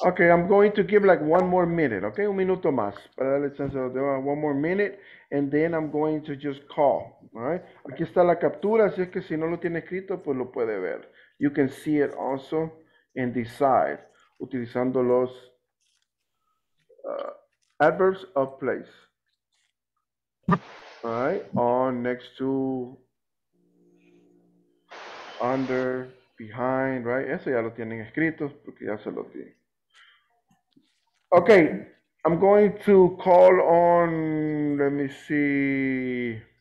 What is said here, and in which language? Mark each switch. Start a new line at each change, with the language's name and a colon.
English: Okay, I'm going to give like one more minute, okay?
Spanish: Un minuto más.
English: One more minute, and then I'm going to just call, all right?
Spanish: Aquí está la captura, así es que si no lo tiene escrito, pues lo puede ver.
English: You can see it also and decide,
Spanish: utilizando los
English: adverbs of place. All right? On, next to, under, behind, right?
Spanish: Eso ya lo tienen escrito porque ya se lo tienen.
English: Okay, I'm going to call on, let me see.